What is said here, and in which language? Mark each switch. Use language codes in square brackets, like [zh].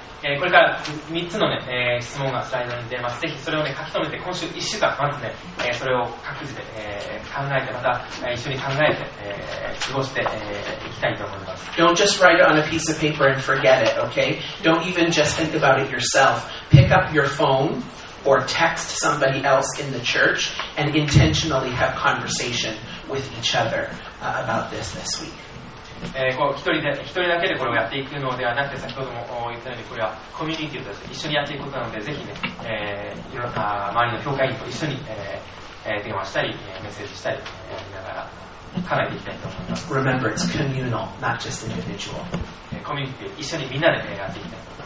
[ja] これから3つの、ね、質問がスライドに出ます。ぜひそれを、ね、書き留めて今週1週間まず、ね、それを各自で、考えてまた一緒に考えて、過ごして、いきたいと思います。 [en] Don't just write it on a piece of paper and forget it, okay? Don't even just think about it yourself. Pick up your phone or text somebody else in the church and intentionally have conversation with each other about this week. [ja] 一人だけでこれをやっていくのではなくて、先ほども言ったようにこれはコミュニティと一緒にやっていくことなので、ぜひね、いろんな周りの教会員と一緒に、電話したり、メッセージしたり、ながら考えていきたいと思います。 [en] Remember, it's communal, not just individual. [ja] コミュニティ一緒にみんなで、やっていきたい。